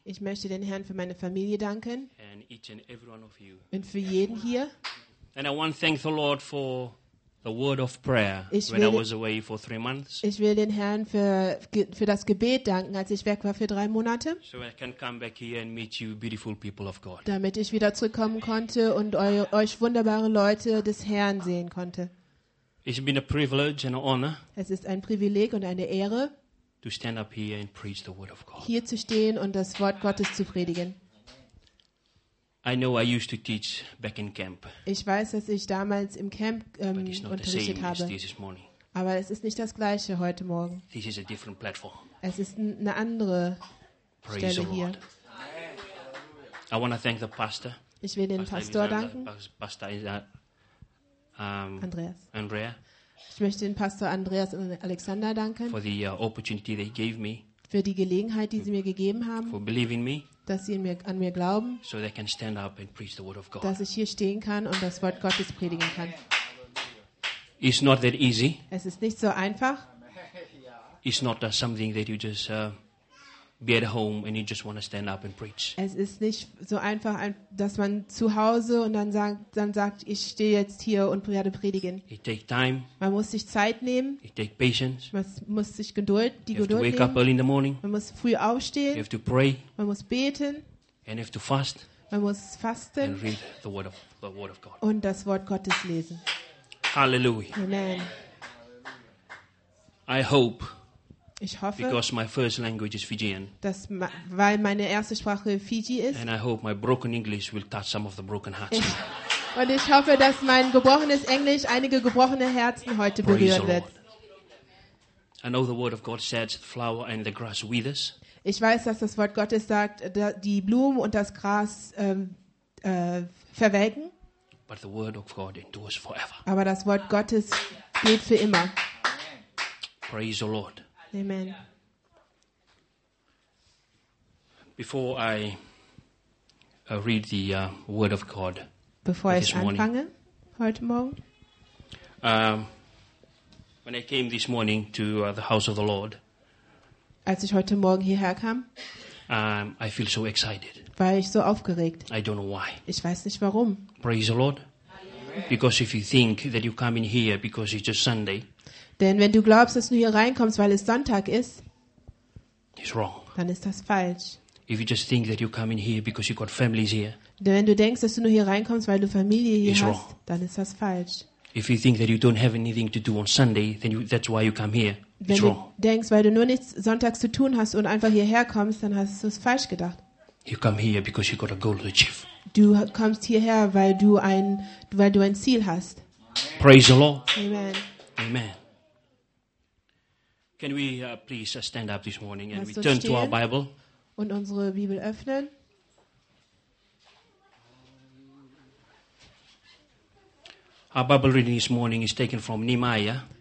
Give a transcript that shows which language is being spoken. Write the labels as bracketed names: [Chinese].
[German] Ich möchte den Herrn für meine Familie danken. [English] And each and every one of you. [German] Und für jeden hier. [English] And I want to thank the Lord for the word of prayer when I was away for 3 months. [German] Ich will den Herrn für das Gebet danken, als ich weg war für 3 Monate. [English] So I can come back here and meet you beautiful people of God. [German] Damit ich wieder zurückkommen konnte und euch wunderbare Leute des Herrn sehen konnte. [English] It's been a privilege and an honor. [German] Es ist ein Privileg und eine Ehre, [English] to stand up here and preach the word of God. [German] Hier zu stehen und das Wort Gottes zu predigen. [English] I know I used to teach back in camp. [German] Ich weiß, dass ich damals im Camp unterrichtet habe. Aber es ist nicht das gleiche heute Morgen. [English] This is a different platform. [German] Es ist eine andere [English] Praise [German] Stelle [English] the [German] hier. [English] I want to thank the pastor. [German] Ich will den Pastor danken. [English] Pastor is [German] Andreas. Andrea. Ich möchte den Pastor Andreas und Alexander danken. [English] For the opportunity they gave me. [German] Für die Gelegenheit, die sie mir gegeben haben, [English] for believing me, [German] dass sie an mir glauben, [English] so they can stand up and preach the word of God. [German] Dass ich hier stehen kann und das Wort Gottes predigen kann. [English] It's not that easy. [German] Es ist nicht so einfach. [English] It's not that something that you just be at home and you just want to stand up and preach. [German] Es ist nicht so einfach, dass man zu Hause und dann sagt, ich stehe jetzt hier und werde predigen. [English] It takes time. [German] Man muss sich Zeit nehmen. [English] It takes patience. [German] Man muss sich Geduld nehmen. [English] You have to wake up early in the morning. [German] Man muss früh aufstehen. [English] You have to pray. [German] Man muss beten. [English] And you have to fast. [German] Man muss fasten. [English] And read the word of God. [German] Und das Wort Gottes lesen. Hallelujah. Amen. [English] I hope. [German] Ich hoffe, [English] because my first language is Fijian. [German] Weil meine erste Sprache Fiji ist. [English] And I hope my broken English will touch some of the broken hearts. [German] Und ich hoffe, dass mein gebrochenes Englisch einige gebrochene Herzen heute berühren wird. [English] I know the word of God says the flower and the grass withers. [German] Ich weiß, dass das Wort Gottes sagt, die Blumen und das Gras verwelken. [English] But the word of God endures forever. [German] Aber das Wort Gottes gilt für immer. [English] Praise the Lord. Amen. Before I read the word of God, [German] bevor ich anfange heute Morgen, [English] when I came this morning to the house of the Lord, [German] als ich heute Morgen hierher kam, [English] I feel so excited. [German] War ich so aufgeregt? [English] I don't know why. [German] Ich weiß nicht warum. [English] Praise the Lord. Because if you think that you come in here because it's just Sunday. [German] Denn wenn du glaubst, dass du hier reinkommst, weil es Sonntag ist, [English] it's wrong. [German] Dann ist das falsch. [English] If you just think that you come in here because you got families here. [German] Denn wenn du denkst, dass du nur hier reinkommst, weil du Familie hier hast, wrong. Dann ist das falsch. [English] If you think that you don't have anything to do on Sunday, then that's why you come here. [German] Wenn du denkst, weil du nur nichts sonntags zu tun hast und einfach hierher kommst, dann hast du es falsch gedacht. [English] You come here because you got a goal to achieve. [German] Du kommst hierher, weil du ein Ziel hast. [English] Praise the Lord. Amen. Amen. Can we please stand up this morning and we turn to our Bible? [German] Und unsere Bibel öffnen. [English] Our Bible reading this morning is taken from Nehemiah.